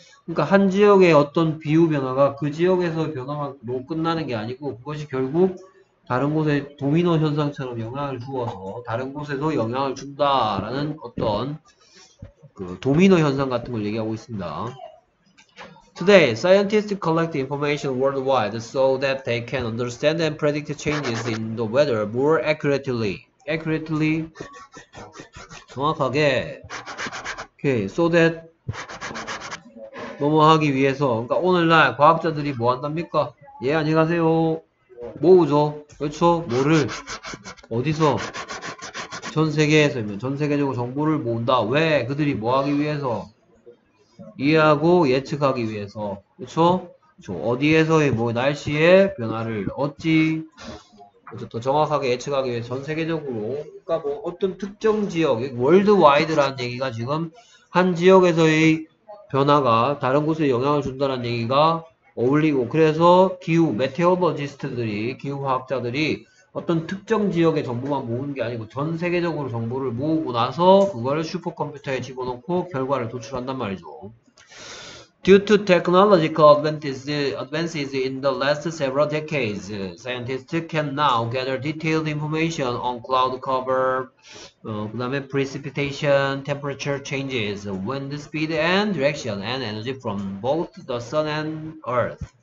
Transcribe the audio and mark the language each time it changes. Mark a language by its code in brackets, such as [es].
[ko] 그러니까 한 지역의 어떤 비후 변화가 그 지역에서 변화로 끝나는 게 아니고 그것이 결국 다른 곳에 도미노 현상처럼 영향을 주어서 다른 곳에도 영향을 준다라는 어떤 그 도미노 현상 같은 걸 얘기하고 있습니다. 자, [en] Today, scientists collect information worldwide so that they can understand and predict changes in the weather more accurately. Accurately, 정확하게. Okay, so that [ko] 뭐뭐 하기 위해서. 그러니까 오늘날 과학자들이 뭐 한답니까? 예, 안녕하세요. 뭐죠? 그렇죠? 뭐를? 어디서? 전 세계에서, 전 세계적으로 정보를 모은다. 왜? 그들이 뭐 하기 위해서? 이해하고 예측하기 위해서. 그렇죠? 어디에서의 뭐 날씨의 변화를 얻지? 더 정확하게 예측하기 위해 전 세계적으로. 그러니까 뭐 어떤 특정 지역, 월드와이드라는 얘기가 지금 한 지역에서의 변화가 다른 곳에 영향을 준다는 얘기가 어울리고, 그래서 기후, 메테오로지스트들이, 기후과학자들이 어떤 특정 지역의 정보만 모은 게 아니고 전 세계적으로 정보를 모으고 나서 그걸 슈퍼컴퓨터에 집어넣고 결과를 도출한단 말이죠. [en] Due to technological advances in the last several decades, scientists can now gather detailed information on cloud cover, [ko] 그다음에 [en] precipitation, temperature changes, wind speed and direction, and energy from both the sun and earth.